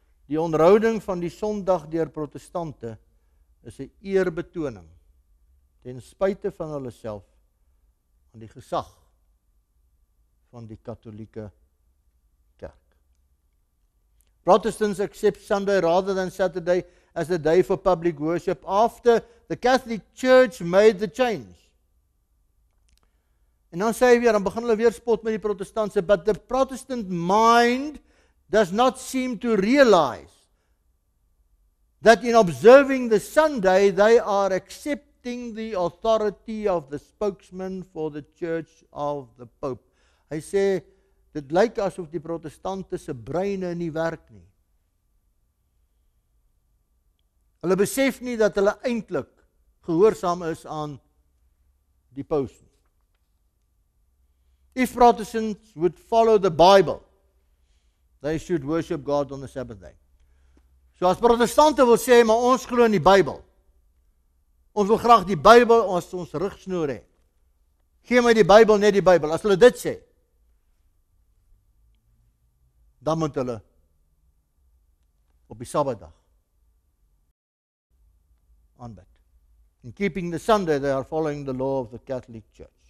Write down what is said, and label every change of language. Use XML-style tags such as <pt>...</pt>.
<af>Die onderhouding van die Sondag deur protestante is 'n eerbetoning ten spyte van hulle self aan die gesag van die katholieke kerk.</af> <en>Protestants accept Sunday rather than Saturday as a day for public worship after the Catholic Church made the change.</en> <af>En dan sê hy weer, dan begin hulle weer spot met die protestantse,</af> <en>but the Protestant mind does not seem to realize that in observing the Sunday they are accepting the authority of the spokesman for the church of the Pope.</en> <af>Hy sê, dit lyk asof die protestante se breine nie werk nie. Hulle besef nie dat hulle eintlik gehoorsaam is aan die paus.</af> <en>If Protestants would follow the Bible, they should worship God on the Sabbath day.</en> <af>So as protestante wil sê, maar ons glo in die Bybel, ons wil graag die Bybel as ons rugsnoer hê. Gee my die Bybel, net die Bybel. As hulle dit sê, dan moet hulle op die Sabbatdag aanbid.</af> <en>In keeping the Sunday, they are following the law of the Catholic Church.</en>